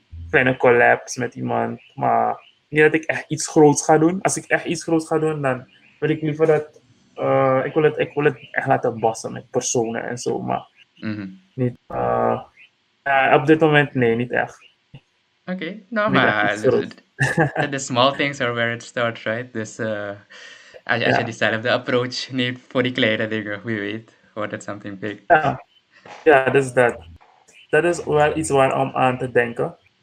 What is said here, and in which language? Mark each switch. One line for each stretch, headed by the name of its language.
Dutch: Kleine collabs met iemand, maar niet dat ik echt iets groots ga doen. Als ik echt iets groots ga doen, dan wil ik liever dat ik wil het echt laten bossen met personen en zo, maar niet op dit moment, nee, niet echt. Oké, okay. Nou, maar
English: the small things are where it starts, right?
Dutch: Dus als je dezelfde approach neemt voor die kleine dingen, wie weet.
English: Or that's something big. Yeah, that is that. That is
Dutch: wel iets waar om aan te denken.